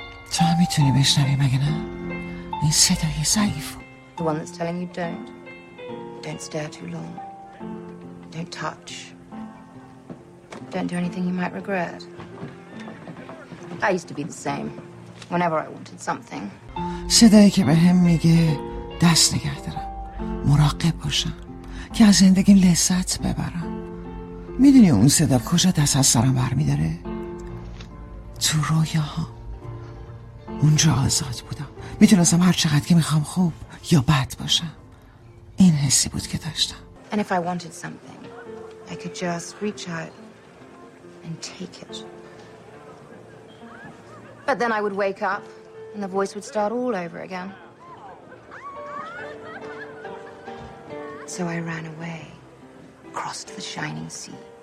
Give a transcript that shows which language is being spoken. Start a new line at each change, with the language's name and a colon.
Persian: تو هم میتونی بشنوی مگه نه؟ این صدای ضعیف.
English: The one that's telling you don't stare too long, don't touch, don't do anything you might regret. I used to be the same. Whenever I wanted something.
Persian: صدایی که به هم میگه دست نگه دارم، مراقب باشم که از زندگیم لذت ببرم. میدونی اون صدا کجا دست از سرم برمیداره؟ تو رویاها. اونجا آزاد بودم، میتونستم هر چقدر که میخوام خوب یا بد باشم. این حسی بود که داشتم.
English: And if I wanted something, I could just reach out and take it. But then I would wake up and the voice would start all over again. So I ran away, crossed the shining sea.